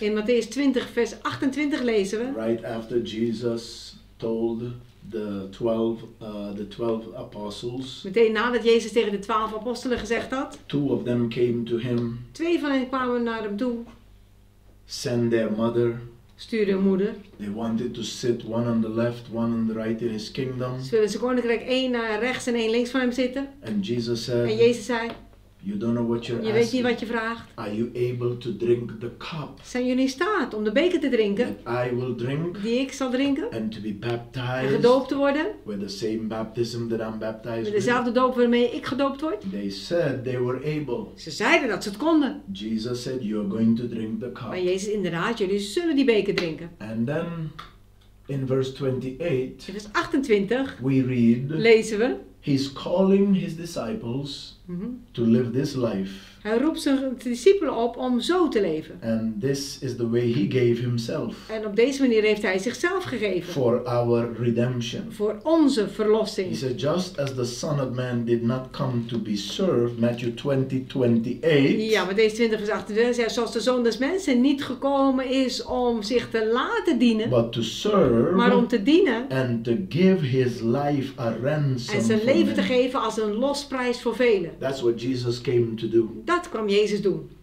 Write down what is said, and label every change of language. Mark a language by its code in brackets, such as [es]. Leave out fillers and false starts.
[nl] In Matthäus 20 vers 28 lezen we. [en] Right after Jesus told the twelve apostles. [nl] Meteen nadat Jezus tegen de 12 apostelen gezegd had. [en] Two of them came to him. [nl] Twee van hen kwamen naar hem toe. [en] Send their mother. [nl] Stuur hun moeder. [en] They wanted to sit one on the left, one on the right in his kingdom. [nl] Ze wilden zijn koninkrijk één naar rechts en één links van hem zitten. [en] And Jesus said. [nl] En Jezus zei. [en] You don't know what you're asking. [nl] Je weet niet wat je vraagt. [en] Are you able to drink the cup? [nl] Zijn jullie in staat om de beker te drinken? [en] That I will drink. [nl] Die ik zal drinken. [en] And to be baptized. [nl] En gedoopt te worden. [en] With the same baptism that I'm baptized. [nl] Met dezelfde doop waarmee ik gedoopt word. [en] They said they were able. [nl] Ze zeiden dat ze het konden. [en] Jesus said you're going to drink the cup. [nl] Maar Jezus inderdaad, jullie zullen die beker drinken. [en] And then in verse 28. [nl] In vers 28. [en] We read. [nl] Lezen we. [en] He's calling his disciples to live this life. [nl] Hij roept zijn discipelen op om zo te leven. [en] And this is the way he gave himself. [nl] En op deze manier heeft hij zichzelf gegeven. [en] For our redemption. [nl] Voor onze verlossing. [en] He said, just as the Son of Man did not come to be served, Matthew 20:28. [nl] Ja, maar deze 20 vers 28, zoals de Zoon des Mensen niet gekomen is om zich te laten dienen. [en] But to serve. [nl] Maar om te dienen. [en] And to give his life a ransom. [nl] En zijn leven te geven als een losprijs voor velen. [en] That's what Jesus came to do. [nl] Dat kwam Jezus doen.